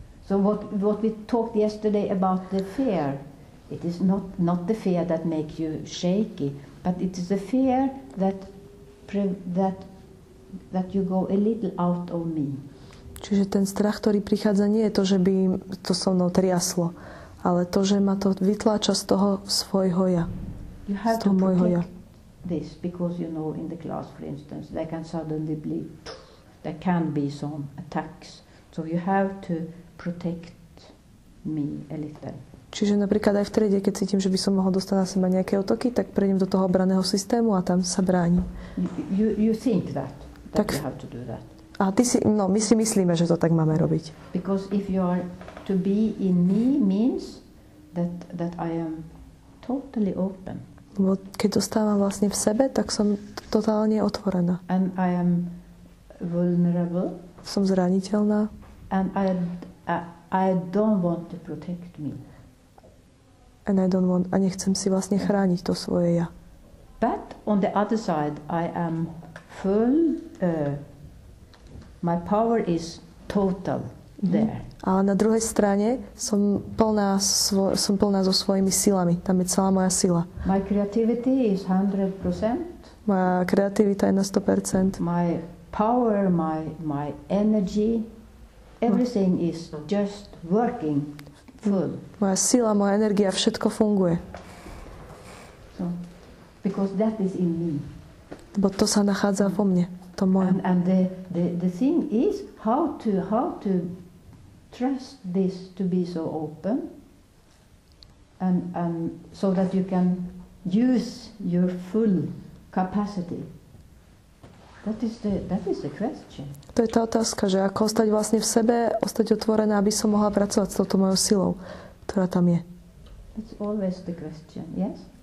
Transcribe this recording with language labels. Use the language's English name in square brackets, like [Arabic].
[English] So what we talked yesterday about the fear, it is not the fear that makes you shaky, but it is the fear that you go a little out of me. [Slovak] Čiže ten strach, ktorý prichádza, nie je to, že by to so mnou triaslo, ale to, že ma to vytláča z toho svojho ja. [English] You have to protect this because you know in the class, for instance, there can suddenly be, there can be some attacks. So you have to protect me a little. [Slovak] Čiže napríklad aj v triede, keď cítim, že by som mohol dostať na seba nejaké útoky, tak prejdem do toho obranného systému a tam sa bránim. [English] You think that tak, you have to do that. [Slovak] A ty si, no, my si myslíme, že to tak máme robiť. [English] Because if you are to be in me means that I am totally open. [Slovak] Lebo keď zostávam vlastne v sebe, tak som totálne otvorená. [English] And I am vulnerable. [Slovak] Som zraniteľná. [English] And I don't want to protect me. And I don't want, [Slovak] a nechcem si vlastne chrániť to svoje ja. [English] But on the other side, I am full, my power is total there. Mm-hmm. [Slovak] Ale na druhej strane som plná so svojimi silami. Tam je celá moja sila. [English] My creativity is 100%. [Slovak] Moja kreativita je na 100%. [English] My power, my energy, everything is just working. Full. [Slovak] Moja sila, moja energia, všetko funguje. [English] So, because that is in me. [Slovak] Lebo to sa nachádza vo mne, to moje. [English] And the thing is how to trust this to be so open, and so that you can use your full capacity. That is the question. [Slovak] To je tá otázka, že ako ostať vlastne v sebe, ostať otvorená, aby som mohla pracovať s touto mojou silou, ktorá tam je. [English] That's always the question, yes?